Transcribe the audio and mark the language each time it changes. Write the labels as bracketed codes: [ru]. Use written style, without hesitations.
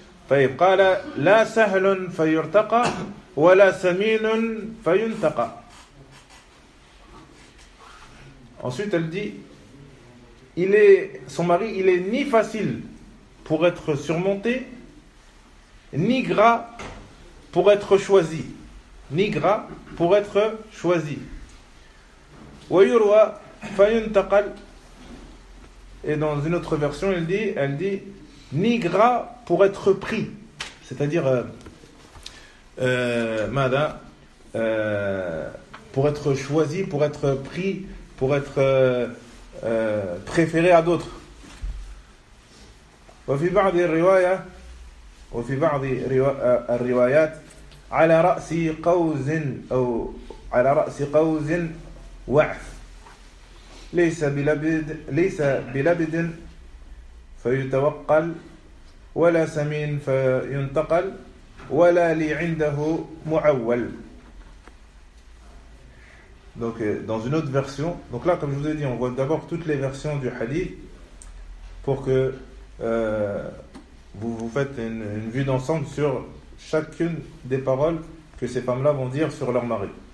[ar] طيب قال لا سهل فيرتقى ولا سمين فينتقى. [fr] Ensuite elle dit il est son mari il est ni facile pour être surmonté ni gras pour être choisi. Ni gras pour être choisi. [ar] وَيُرْوَى فَيُنْتَقَلْ. [fr] Et dans une autre version, elle dit ni gras pour être pris. C'est-à-dire, pour être choisi, pour être pris, pour être préféré à d'autres. [ar] وَفِي بَعْدِ الرِّوَايَةِ وفي بعض الروايات على رأس قوز أو على رأس قوز وعف ليس بلبد فيتوقل ولا سمين فينتقل ولا لي عنده معول. [fr] Donc dans une autre version, donc là comme je vous ai dit, on voit d'abord toutes les versions du hadith pour que vous faites une vue d'ensemble sur chacune des paroles que ces femmes-là vont dire sur leur mari.